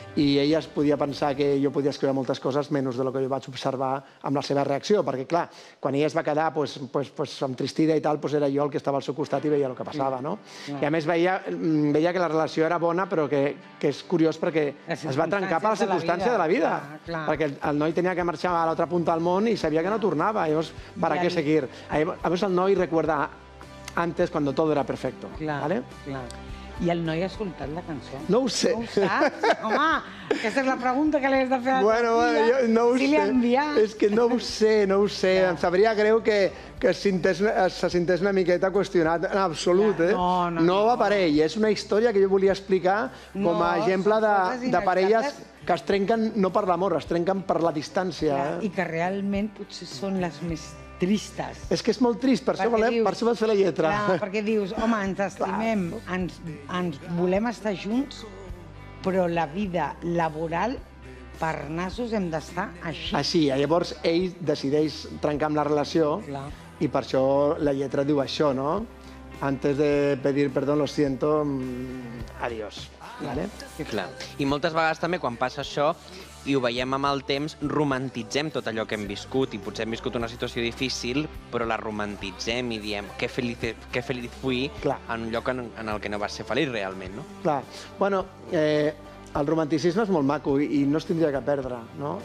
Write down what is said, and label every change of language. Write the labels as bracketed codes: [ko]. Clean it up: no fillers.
[ca] I ella es podia pensar que jo podia escriure moltes coses menys del que jo vaig observar amb la seva reacció, perquè, clar, quan ella es va quedar amb tristida i tal, pues, era jo el que estava al seu costat i veia el que passava, no? Yeah. I, a més, veia que la relació era bona, però que és curiós perquè es va trencar per la circumstància de la vida. Clar. Perquè el noi tenia que marxar a l'altra punta del món i sabia que no tornava. Llavors, per a què seguir? Llavors, el noi recorda antes, [es] cuando todo era perfecto. [ca] Clar, ¿vale? Clar. I el noi ha escoltat la cançó? No ho sé. No ho saps? Home, aquesta és la pregunta que li has de fer a la teva filla. Bueno, jo no ho sé. Si li ha enviat. És que no ho sé, no ho sé. Ja. Em sabria greu que se sentés una miqueta qüestionat, en absolut. Ja. No, no, no. No va per ell. És una història que jo volia explicar com a exemple de parelles que es trenquen no per l'amor, es trenquen per la distància. Ja. I que realment potser són les més tristes. És que és molt trist, per això vas fer la lletra. Clar, perquè dius, home, ens estimem, ens volem estar junts, però la vida laboral, per nassos, hem d'estar així. Així, llavors ell decideix trencar amb la relació, clar. I per això la lletra diu això, no? [es] Antes de pedir perdón, lo siento, adiós. [ca] Vale? Clar. I moltes vegades també, quan passa això, i ho veiem amb el temps, romantitzem tot allò que hem viscut, i potser hem viscut una situació difícil, però la romantitzem i diem que feliç fui. Clar. En un lloc en el que no vas ser feliç realment. No? Clar. Bueno, el romanticisme és molt maco i no es tindria que perdre. No?